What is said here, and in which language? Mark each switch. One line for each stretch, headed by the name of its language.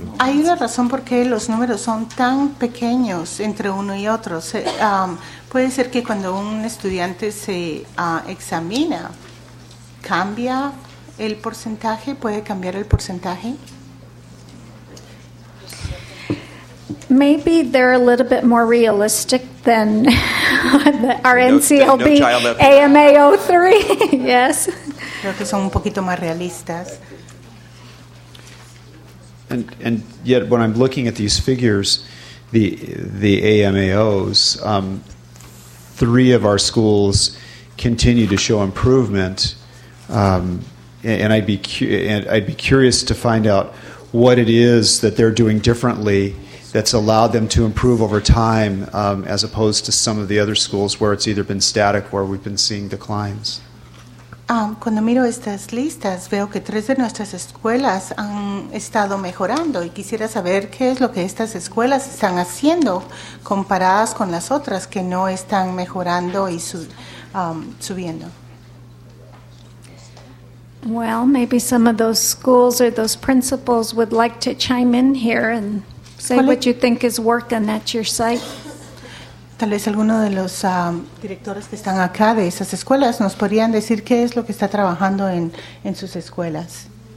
Spanish: Hay una razón por qué los números son tan pequeños entre uno y otro. Puede ser que cuando un estudiante se examina, cambia el porcentaje, puede cambiar el porcentaje.
English: Maybe they're a little bit more realistic than our NCLB AMA03. Yes.
Spanish: Creo que son un poquito más realistas.
English: And yet, when I'm looking at these figures, the AMAOs, three of our schools continue to show improvement, and I'd be curious to find out what it is that they're doing differently that's allowed them to improve over time, as opposed to some of the other schools where it's either been static or we've been seeing declines.
Spanish: Cuando miro estas listas, veo que tres de nuestras escuelas han estado mejorando y quisiera saber qué es lo que estas escuelas están haciendo comparadas con las otras que no están mejorando y subiendo.
English: Well, maybe some of those schools or those principals would like to chime in here and say what you think is working at your site.
Spanish: Tal vez alguno de los directores que están acá de esas escuelas nos podrían decir qué es lo que está trabajando en sus escuelas.